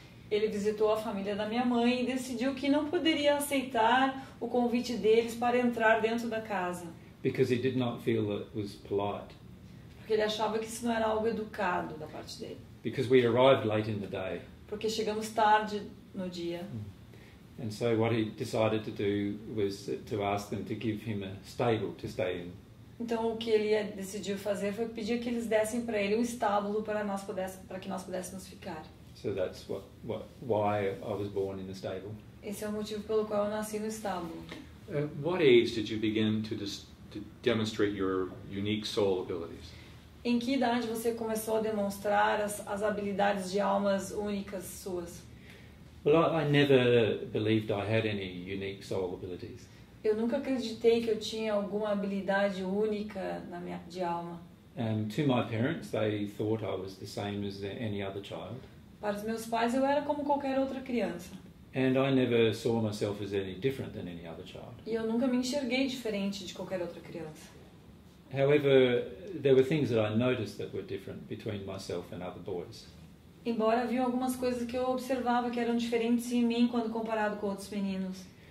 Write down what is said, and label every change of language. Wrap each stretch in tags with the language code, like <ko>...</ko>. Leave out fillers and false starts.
<pt>Ele visitou a família da minha mãe e decidiu que não poderia aceitar o convite deles para entrar dentro da casa.</pt> <en>Because he did not feel it was polite.</en> <pt>Porque ele achava que isso não era algo educado da parte dele.</pt> <en>Because we arrived late in the day.</en> <pt>Porque chegamos tarde no dia.</pt> <en>And so what he decided to do was to ask them to give him a stable to stay in.</en> <pt>Então o que ele decidiu fazer foi pedir que eles dessem para ele um estábulo para que nós pudéssemos ficar.</pt> <en>So that's why I was born in the stable.</en> <pt>Esse é o motivo pelo qual eu nasci no estábulo.</pt> <en>What age did you begin to demonstrate your unique soul abilities?</en> <pt>Em que idade você começou a demonstrar as habilidades de almas únicas suas?</pt> <en>Well, I never believed I had any unique soul abilities.</en> <pt>Eu nunca acreditei que eu tinha alguma habilidade única de alma.</pt> <en>To my parents, they thought I was the same as any other child.</en> <pt>Para os meus pais, eu era como qualquer outra criança.</pt> <en>And I never saw myself as any different than any other child.</en> <pt>E eu nunca me enxerguei diferente de qualquer outra criança.</pt> <en>However, there were things that I noticed that were different between myself and other boys.</en> <pt>Embora havia algumas coisas que eu observava que eram diferentes em mim quando comparado com outros meninos.</pt>